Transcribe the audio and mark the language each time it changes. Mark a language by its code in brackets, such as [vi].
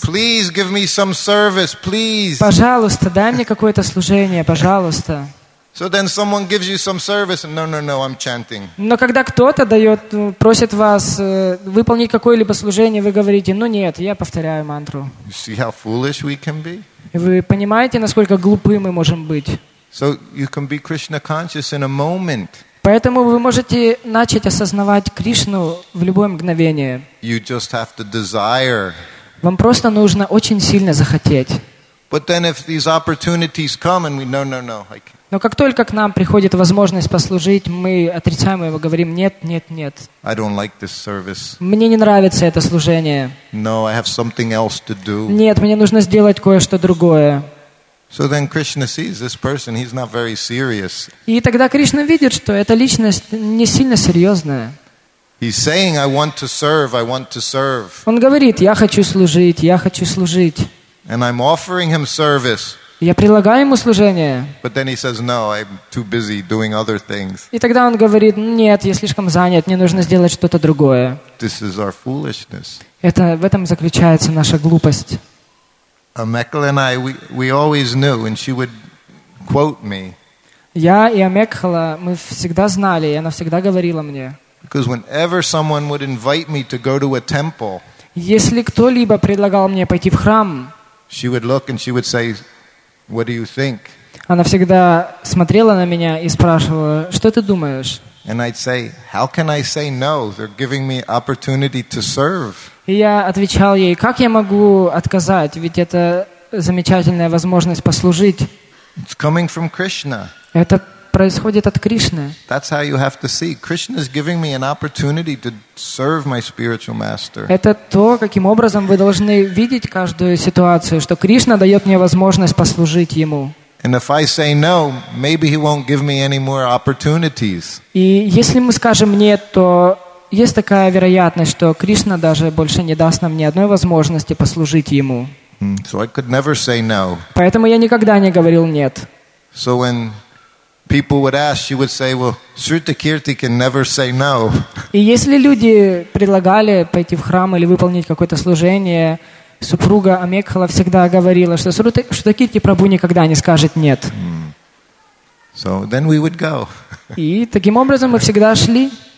[en] Please give me some service, please. [ru] Пожалуйста, дай мне какое-то служение, пожалуйста. [en] So then someone gives you some service and no, I'm chanting. [ru] Но когда кто-то дает, просит вас выполнить какое-либо служение, вы говорите, ну нет, я повторяю мантру. [en] You see how foolish we can be? [ru] Вы понимаете, насколько глупы мы можем быть? [en] So you can be Krishna conscious in a moment. [ru] Поэтому вы можете начать осознавать Кришну в любое мгновение. [en] You just have to desire. [ru] Вам просто нужно очень сильно захотеть. [en] But then if these opportunities come and we, no, I can't. [ru] Но как только к нам приходит возможность послужить, мы отрицаем его, говорим, нет. [en] I don't like this service. [ru] Мне не нравится это служение. [en] No, I have something else to do. [ru] Нет, мне нужно сделать кое-что другое. [en] So then Krishna sees this person, he's not very serious. [ru] И тогда Кришна видит, что эта личность не сильно серьезная. [en] He's saying, I want to serve, I want to serve. [ru] Он говорит, я хочу служить, я хочу служить. [en] And I'm offering him service. [ru] Я предлагаю ему служение. [en] But then he says, no, I'm too busy doing other things. [ru] И тогда он говорит, нет, я слишком занят, мне нужно сделать что-то другое. [en] This is our foolishness. [ru] Это, в этом заключается наша глупость. [en] Амекхала and I, we always knew, and she would quote me. [ru] Я и Амекхала, мы всегда знали, и она всегда говорила мне. [en] Because whenever someone would invite me to go to a temple, [ru] если кто-либо предлагал мне пойти в храм, [en] she would look and she would say, "What do you think?" [ru] Она всегда смотрела на меня и спрашивала, что ты думаешь? [en] And I'd say, "How can I say no? They're giving me opportunity to serve." [ru] И я отвечал ей, как я могу отказать? Ведь это замечательная возможность послужить. [en] It's coming from Krishna. [ru] Это происходит от Кришны. [en] That's how you have to see. Krishna is giving me an opportunity to serve my spiritual master. [ru] Это то, каким образом вы должны видеть каждую ситуацию, что Кришна дает мне возможность послужить ему. [en] And if I say no, maybe he won't give me any more opportunities. [ru] И если мы скажем нет, то есть такая вероятность, что Кришна даже больше не даст нам ни одной возможности послужить Ему. [en] So I could never say no. [ru] Поэтому я никогда не говорил «нет». [en] So when people would ask, she would say, well, Shrutakirti can never say no. [ru] И если люди предлагали пойти в храм или выполнить какое-то служение, супруга Амекхала всегда говорила, что Шрутакирти Прабху никогда не скажет «нет». [en] So then we would go. [ru] И таким образом мы всегда шли.